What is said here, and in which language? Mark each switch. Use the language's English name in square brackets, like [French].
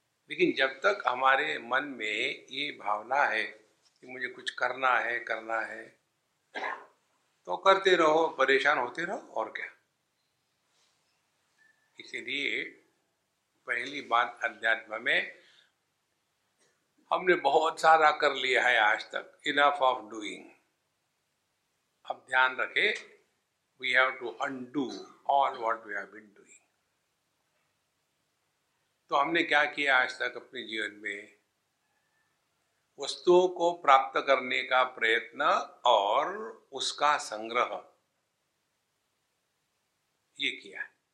[Hindi] लेकिन जब तक हमारे मन में ये भावना है कि मुझे कुछ करना है तो करते रहो परेशान होते रहो और क्या. इसीलिए पहली बात अध्यात्म में हमने बहुत सारा कर लिया है आज तक [English] Enough of doing. [Hindi] अब ध्यान रखे [English] we have to undo all what we have been doing. [Hindi] तो हमने क्या किया आज तक अपने जीवन में वस्तुओं को प्राप्त करने का प्रयत्न और उसका संग्रह ये किया है.